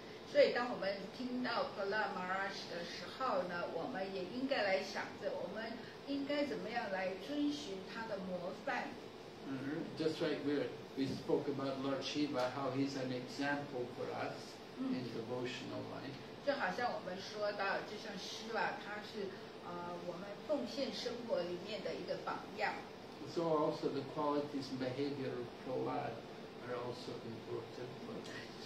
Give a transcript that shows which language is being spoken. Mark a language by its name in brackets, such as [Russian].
[Chinese] 所以当我们听到 Prahlad Maharaj 的时候呢，我们也应该来想着我们应该怎么样来遵循他的模范。 [English] Just like we spoke about Lord Shiva, how he's an example for us in devotional life. [Chinese] 就好像我们说到，就像希瓦他是我们奉献生活里面的一个榜样。 [English] So also the qualities and behavior of Prahlad are also important for us.